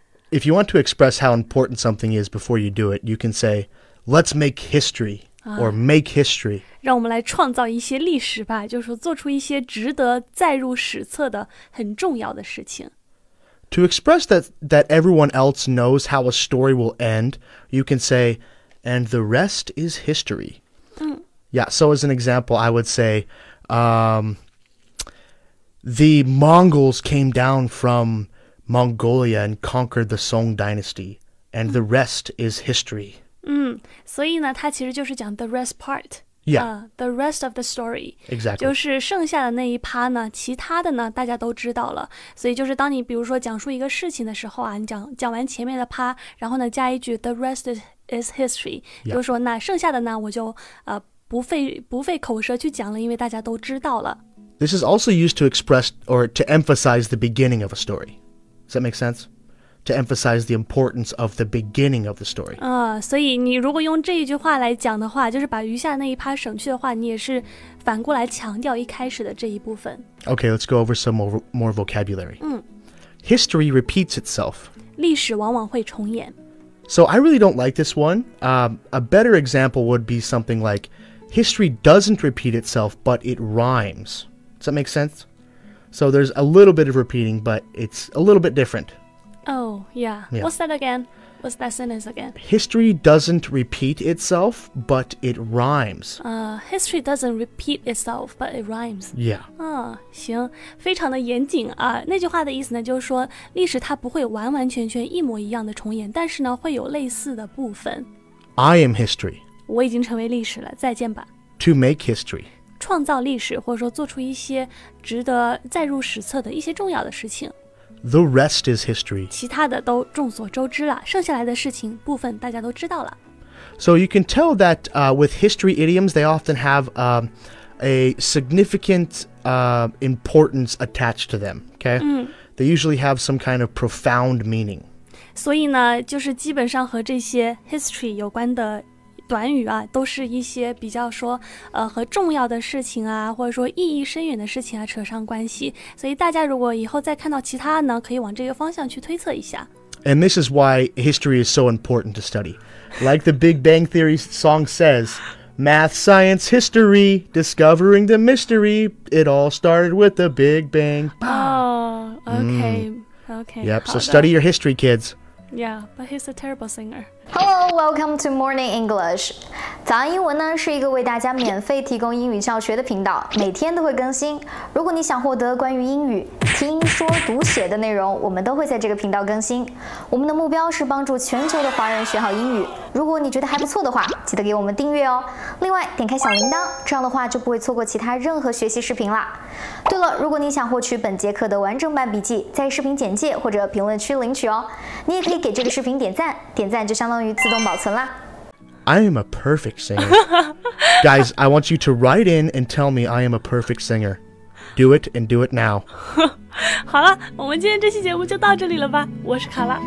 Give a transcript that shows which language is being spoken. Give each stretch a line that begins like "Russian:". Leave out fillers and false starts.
English: If you want to express how important something is before you do it, you can say, let's make history,、or make history.
Chinese: 让我们来创造一些历史吧就是说做出一些值得载入史册的很重要的事情。
English: To express that everyone else knows how a story will end, you can say, and the rest is history.、 Mm. Yeah, so as an example, I would say, the Mongols came down from Mongolia and conquered the Song Dynasty, and、mm. the rest is history.、 Mm.
Chinese: 所以呢它其实就是讲
English: the rest part. Yeah.、 The rest of the story. Exactly.
Chinese: 就是剩下的那一趴呢其他的呢大家都知道了。所以就是当你比如说讲述一个事情的时候啊你讲完前面的趴然后呢加一句
English: the rest is history.、
Chinese: Yeah. 就是说那剩下的呢我就、不费口舌去讲了因为大家都知道了。
English: This is also used to express or to emphasize the beginning of a story. Does that make sense? To emphasize the importance of the beginning of the story.
Chinese: 所以你如果用这一句话来讲的话，就是把余下那一趴省去的话，你也是反过来强调一开始的这一部分。
English: Okay, let's go over some more vocabulary.
Chinese: 嗯。
English: History repeats itself.
Chinese: 历史往往会重演。
English: So I really don't like this one. A better example would be something like, history doesn't repeat itself, but it rhymes. Does that make sense? So there's a little bit of repeating, but it's a little bit different. Oh, yeah. Yeah. What's that again? What's that sentence again? History doesn't repeat itself, but it rhymes. History doesn't repeat itself, but it rhymes. Yeah.
Chinese: 行，非常的严谨啊。那句话的意思呢，就是说历史它不会完完全全一模一样的重演，但是呢，会有类似的部分。
English: I am history.
Chinese: 我已经成为历史了，再见吧。
English: To make history.
Chinese: 创造历史，或者说做出一些值得载入史册的一些重要的事情。
English: The rest is history.
Chinese: 其他的都众所周知了，剩下来的事情部分大家都知道了。
English: So you can tell that with history idioms, they often have a significant importance attached to them. Okay?、
Chinese: 嗯、
English: they usually have some kind of profound meaning.
Chinese: 所以呢，就是基本上和这些 history 有关的短语啊，都是一些比较说和重要的事情啊，或者说意义深远的事情啊扯上关系。所以大家如果以后再看到其他呢，可以往这个方向去推测一下。
English: And this is why history is so important to study. Like the Big Bang Theory song says, math, science, history, discovering the mystery, it all started with the Big Bang. Oh, okay, okay. Yep, so study your history, kids. Yeah, but he's a terrible singer. Hello, welcome to Morning English.
Chinese: 早安英文呢是一个为大家免费提供英语教学的频道，每天都会更新。如果你想获得关于英语听说读写的内容，我们都会在这个频道更新。我们的目标是帮助全球的华人学好英语。如果你觉得还不错的话，记得给我们订阅哦。另外，点开小铃铛，这样的话就不会错过其他任何学习视频啦。对了，如果你想获取本节课的完整版笔记，在视频简介或者评论区领取哦。你也可以给这个视频点赞，点赞就相当于自动保存啦。
English: I am a perfect singer. Guys, I want you to write in and tell me I am a perfect singer. Do it and do it now.
Chinese: 好了，我们今天这期节目就到这里了吧。我是卡拉。